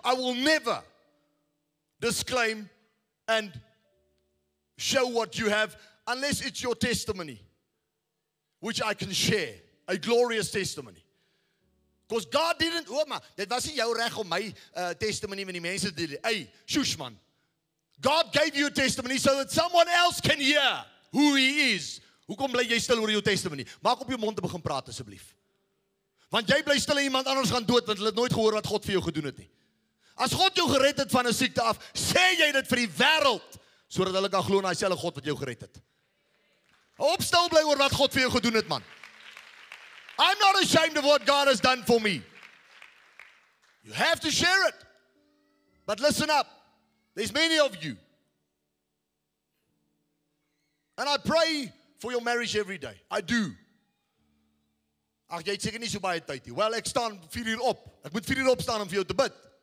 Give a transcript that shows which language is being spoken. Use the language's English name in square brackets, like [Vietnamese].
[English] I will never disclaim and show what you have unless it's your testimony, which I can share, a glorious testimony. Because God didn't, oh man, that wasn't your right on my testimony when the people did it. Hey, shush man. God gave you a testimony so that someone else can hear who he is. [Afrikaans] Hoe kom bly jy stil oor jou testimony? Maak op jou mond te begin praat asseblief. Want jy bly stil en iemand anders gaan dood want hulle het nooit gehoor wat God vir jou gedoen het nie. As God jou gered het van 'n siekte af, sê jy dit vir die wêreld sodat hulle kan glo in dieselfde God wat jou gered het. Hou stil bly oor wat God vir jou gedoen het man. [English] I'm not ashamed of what God has done for me. You have to share it. But listen up. There's many of you. And I pray for your marriage every day. I do. [Afrikaans] Ag jy het seker nie so baie tyd nie. Well, ek staan 4 uur op. Ek moet 4 uur opstaan om vir jou te bid.